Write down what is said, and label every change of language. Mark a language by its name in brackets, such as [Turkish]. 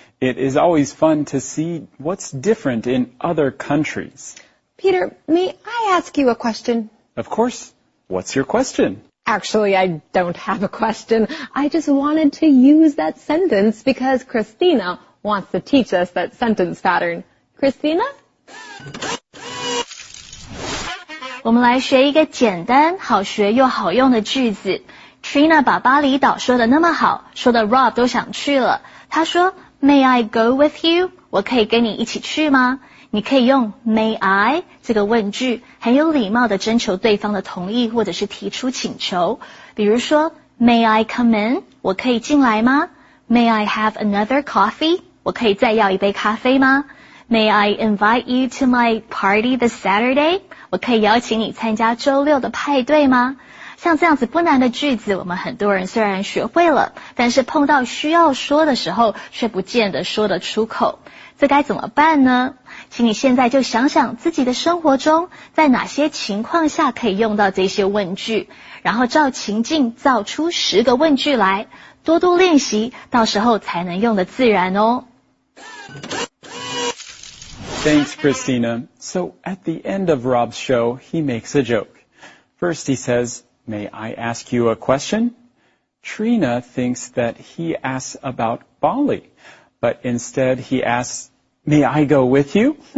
[English] It is always fun to see what's different in other countries. Peter, may I ask you a question? Of course. What's your question? Actually, I don't have a question. I just wanted to use that sentence because Christina wants to teach us that sentence pattern. Christina? [Chinese] 我们来学一个简单、好学又好用的句子。 Trina 把巴厘岛说得那么好，说得 Rob 都想去了。她说 [English] ,May I go with you? [Chinese] 我可以跟你一起去吗？你可以用 May I 这个问句，很有礼貌地征求对方的同意或者是提出请求。比如说 [English] ,May I come in? [Chinese] 我可以进来吗？ [English] May I have another coffee? [Chinese] 我可以再要一杯咖啡吗? [English] May I invite you to my party this Saturday? [Chinese] 我可以邀请你参加周六的派对吗?像这样子不难的句子,我们很多人虽然学会了,但是碰到需要说的时候,却不见得说得出口。这该怎么办呢?请你现在就想想自己的生活中,在哪些情况下可以用到这些问句,然后照情境造出十个问句来。多多练习，到时候才能用得自然哦。 [English] Thanks, Christina. So, at the end of Rob's show, he makes a joke. First, he says, May I ask you a question? Trina thinks that he asks about Bali, but instead he asks, May I go with you?